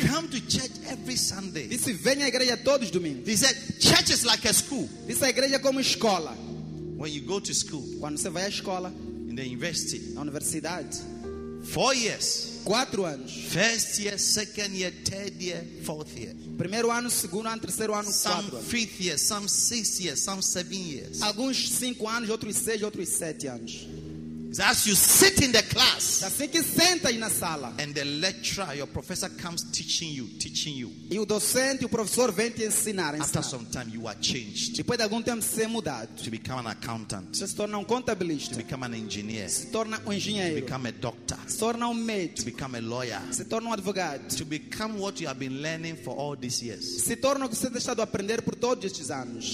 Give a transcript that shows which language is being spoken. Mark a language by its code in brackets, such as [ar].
[en] said, come to church every Sunday. [pt] Disse, venha à igreja todos os domingos. [en] He said, church is like a school. [pt] Disse, a igreja é como escola. [en] When you go to school. [pt] Quando você vai à escola. [en] In the university. [pt] Na universidade. [en] 4 years. [pt] 4 anos. [en] First year, second year, third year, fourth year. [pt] Primeiro ano, segundo ano, terceiro ano, [en] some [pt] quatro. [en] Some fifth year, some sixth year, some 7 years. [pt] Alguns 5 anos, outros 6, outros 7 anos. [en] As you sit in the class. [pt] Assim que senta aí na sala. [en] And the lecturer, your professor comes teaching you. [pt] E o docente, o professor vem te ensinar. [en] After some time, you are changed. [pt] Depois de algum tempo, você é mudado. [en] To become an accountant. [pt] Você se torna contabilista. [en] To become an engineer. [pt] Se torna engenheiro. [en] To become a doctor. [pt] Se torna médico. [en] To become a lawyer. [pt] Se torna advogado. [en] To become what you have been learning for all these years. [pt] Se torna o que você tem estado a aprender por todos estes anos.